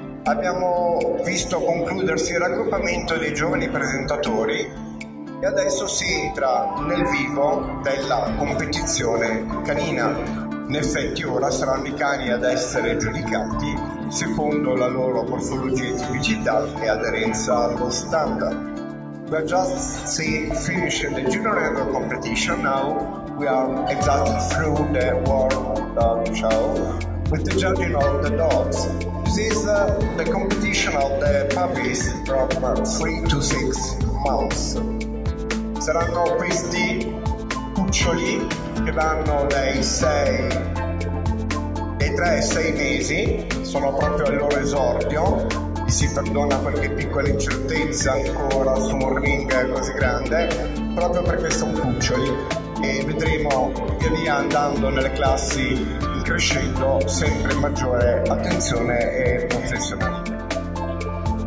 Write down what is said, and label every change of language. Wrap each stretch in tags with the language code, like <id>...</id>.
<it>Abbiamo visto concludersi il raggruppamento dei giovani presentatori e adesso si entra nel vivo della competizione canina. In effetti ora saranno i cani ad essere giudicati secondo la loro morfologia, tipicità e aderenza allo standard.</it> <en>We have just finished the general competition. Now we are exactly through the world dog show with the judging of the dogs. This is the competition of the puppies from 3 to 6 months.</en> <it>Saranno questi cuccioli che vanno dai 6 ai 3 ai 6 mesi, sono proprio al loro esordio. Si perdona qualche piccola incertezza ancora su un ring così grande, proprio perché sono cuccioli e vedremo via via andando nelle classi crescendo sempre maggiore attenzione e professionalità.</it>